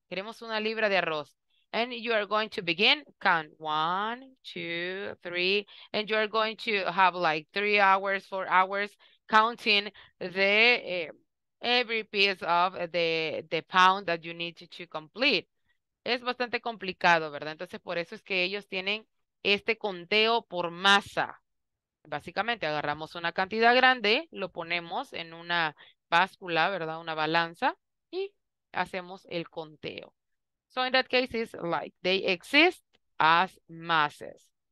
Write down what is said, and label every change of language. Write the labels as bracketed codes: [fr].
[es] Queremos una libra de arroz. [en] And you are going to begin, count 1, 2, 3, and you are going to have like 3 hours, 4 hours, counting every piece of the pound that you need to complete. [es] Es bastante complicado, ¿verdad? Entonces, por eso es que ellos tienen este conteo por masa. Básicamente, agarramos una cantidad grande, lo ponemos en una báscula, ¿verdad? Una balanza, y hacemos el conteo. [en] So in that case, it's like they exist as masses.